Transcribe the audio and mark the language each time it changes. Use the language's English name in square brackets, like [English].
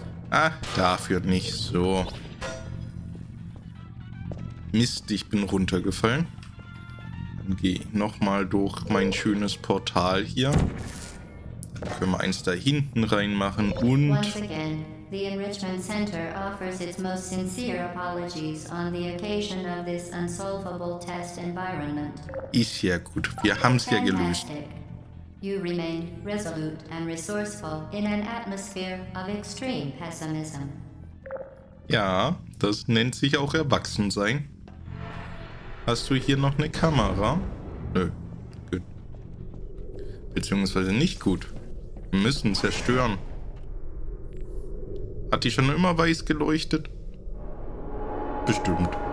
[German] Ah, dafür nicht so. Mist, ich bin runtergefallen. Dann gehe ich nochmal durch mein schönes Portal hier. Dann können wir eins da hinten reinmachen und... [English] The Enrichment Center offers its most sincere apologies on the occasion of this unsolvable test environment. [German] Ist ja gut. Wir haben's ja gelöst. [English] You remained resolute and resourceful in an atmosphere of extreme pessimism. [German] Ja, das nennt sich auch erwachsen sein. Hast du hier noch eine Kamera? Nö. Gut. Beziehungsweise nicht gut. Wir müssen zerstören. Hat die schon immer weiß geleuchtet? Bestimmt.